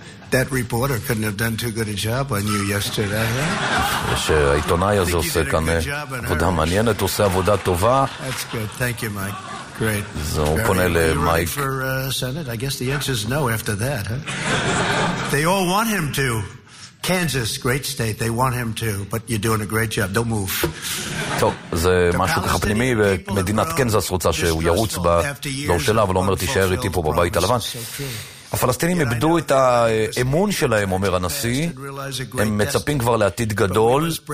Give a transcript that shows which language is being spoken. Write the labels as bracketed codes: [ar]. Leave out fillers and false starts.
[en] That reporter couldn't have done too good a job on you yesterday, huh? [he] שהעיתונאי הזה עושה כאן עבודה מעניינת, עושה עבודה טובה. [en] That's good. Thank you, Mike. Great. [he] זה הוא פונה למייק. [en] For Senate, I guess the answer is no after that, huh? They all want him to. Kansas, great state, they want him to, but you're doing a great job, don't move. [he] טוב, זה משהו ככה פנימי, ומדינת קנזס רוצה שהוא ירוץ בלור שלה, אבל אומר, תישאר איתי פה בבית הלבן. הפלסטינים איבדו את האמון שלהם, אומר הנשיא, הם מצפים כבר לעתיד גדול.